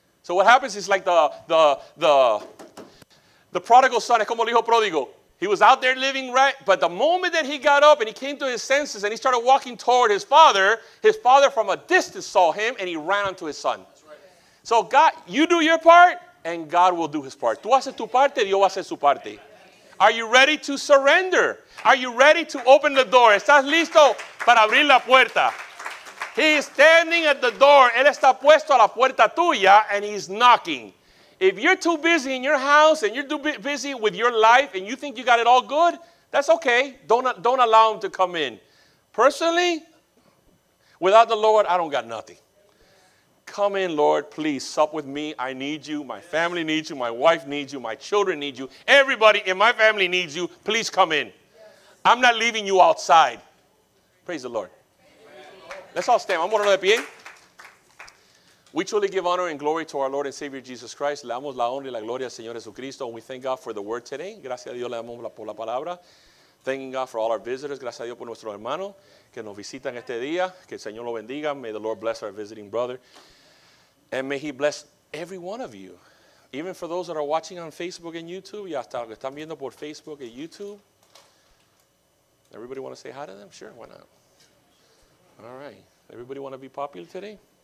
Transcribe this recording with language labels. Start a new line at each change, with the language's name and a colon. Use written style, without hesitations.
English: So what happens is like the prodigal son,
Spanish: es como el hijo pródigo.
English: He was out there living right, but the moment that he got up and he came to his senses and he started walking toward his father from a distance saw him and he ran unto his son. Right. So God, you do your part and God will do his part.
Spanish: Tú haces tu parte, Dios va a hacer su parte.
English: Are you ready to surrender? Are you ready to open the door?
Spanish: ¿Estás listo para abrir la puerta?
English: He is standing at the door.
Spanish: Él está puesto a la puerta tuya,
English: and he's knocking. If you're too busy in your house and you're too busy with your life and you think you got it all good, that's okay. Don't allow him to come in. Personally, without the Lord, I don't got nothing. Come in, Lord, please. Sup with me. I need you. My family needs you. My wife needs you. My children need you. Everybody in my family needs you. Please come in. I'm not leaving you outside. Praise the Lord. Let's all stand.
Spanish: Vamos a ponernos de pie.
English: We truly give honor and glory to our Lord and Savior Jesus Christ.
Spanish: Le damos la honra y la gloria al Señor Jesucristo.
English: And we thank God for the word today.
Spanish: Gracias a Dios le damos por la palabra.
English: Thanking God for all our visitors.
Spanish: Gracias a Dios por nuestro hermano que nos visitan este día. Que el Señor lo bendiga.
English: May the Lord bless our visiting brother. And may he bless every one of you. Even for those that are watching on Facebook and YouTube.
Spanish: Y hasta los que están viendo por
English: Facebook and YouTube. Everybody want to say hi to them? Sure, why not? All right. Everybody want to be popular today?